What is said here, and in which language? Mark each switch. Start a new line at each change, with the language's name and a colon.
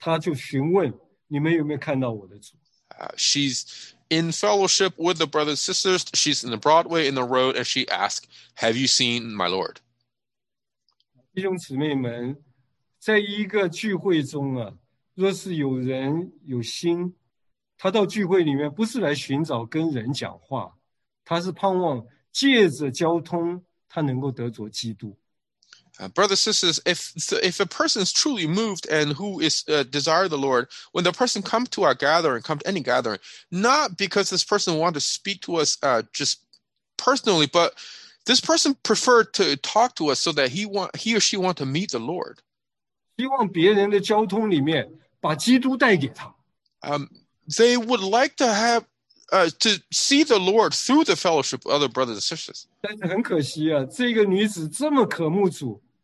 Chinese: 在交通的里面，在宽阔处，在街市上，他就询问你们有没有看到我的主。
English: She's in fellowship with the brothers and sisters. She's in the Broadway, in the road, and she asks, have you seen my Lord?
Chinese: 弟兄姊妹们, 在一个聚会中啊, 若是有人有心, 他到聚会里面不是来寻找跟人讲话, 他是盼望借着交通, 他能够得着基督。
English: Brothers and sisters, if a person is truly moved and who is desire the Lord, when the person comes to our gathering, come to any gathering, not because this person wants to speak to us just personally, but this person preferred to talk to us so that he or she want to meet the Lord.
Chinese: 希望别人的交通里面把基督带给他。
English: They would like to have to see the Lord through the fellowship of other brothers and sisters.
Chinese: 但是很可惜啊，这个女子这么渴慕主。